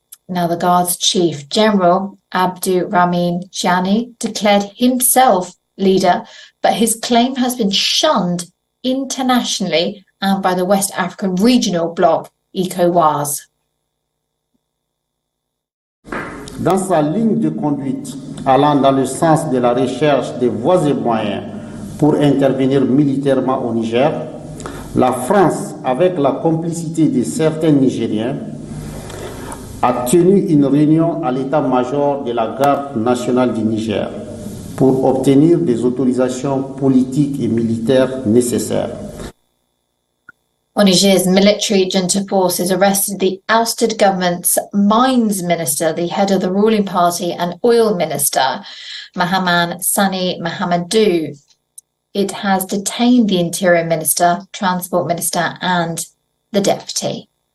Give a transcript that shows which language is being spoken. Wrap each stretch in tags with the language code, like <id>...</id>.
<en>Now, the guard's chief general, Abdou Ramin Tchiani, declared himself leader, but his claim has been shunned internationally and by the West African regional bloc, ECOWAS.</en> <fr>Dans sa ligne de conduite allant dans le sens de la recherche des voies et moyens pour intervenir militairement au Niger, la France, avec la complicité de certains Nigériens, a tenu une réunion à l'état-major de la garde nationale du Niger pour obtenir des autorisations politiques et militaires nécessaires.</fr> <en>Well, Niger's military junta forces arrested the ousted government's mines minister, the head of the ruling party, and oil minister, Mahaman Sani Mahamadou. It has detained the interior minister, transport minister, and the deputy.</en>